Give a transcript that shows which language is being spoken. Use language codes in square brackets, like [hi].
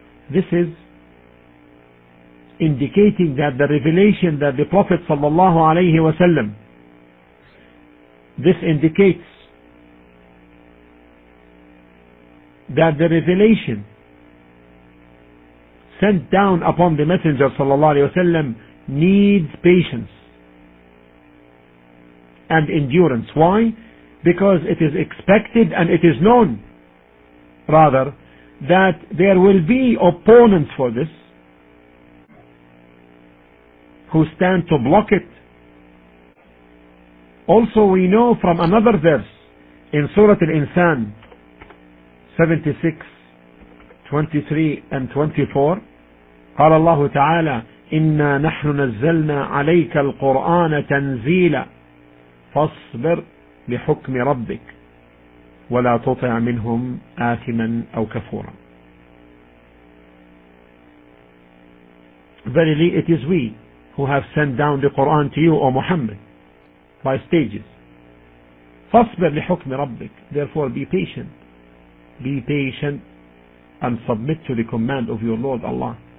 [en] This is indicating that the revelation that the Prophet sallallahu alayhi wa sallam, this indicates that the revelation sent down upon the Messenger sallallahu alayhi wa sallam needs patience and endurance. Why? because it is expected and it is known, rather, that there will be opponents for this who stand to block it. Also, we know from another verse in Surah Al-Insan 76, 23 and 24, [ar] قال الله تعالى إنا نحن نزلنا عليك القرآن تنزيلا فاصبر لحكم ربك ولا تطع منهم آثما أو كفورا. [en] Verily it is we who have sent down the Quran to you, O Muhammad, by stages. [ar] فاصبر لحكم ربك. [en] Therefore be patient. Be patient and submit to the command of your Lord Allah.